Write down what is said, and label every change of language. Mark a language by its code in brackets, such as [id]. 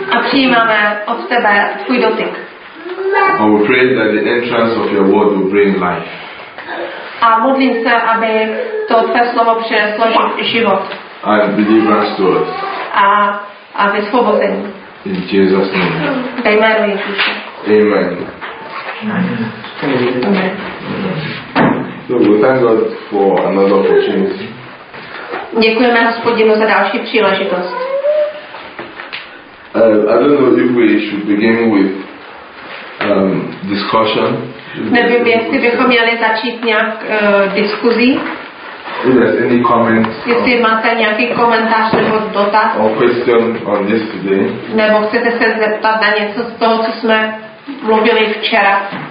[cs] A přijímáme od tebe tvůj dotyk. [en] I will pray that the entrance of your word will bring life. [cs] A modlím se, aby to tvé slovo přineslo život. [en] And deliver us to us. [cs] A vysvobození. [en] In Jesus' name. [cs] Ve jménu Ježíše. [en] Amen. So we thank God for another opportunity. [cs] Děkujeme Hospodinu za další příležitost. [en] I don't know if we should begin with discussion. [cs] Nevím, jestli bychom měli začít nějak diskuzí. [en] If there's any comments. [cs] Jestli máte nějaký komentář nebo dotaz. [en] Or question on this today. [cs] Nebo chcete se zeptat na něco z toho, co jsme mluvili včera.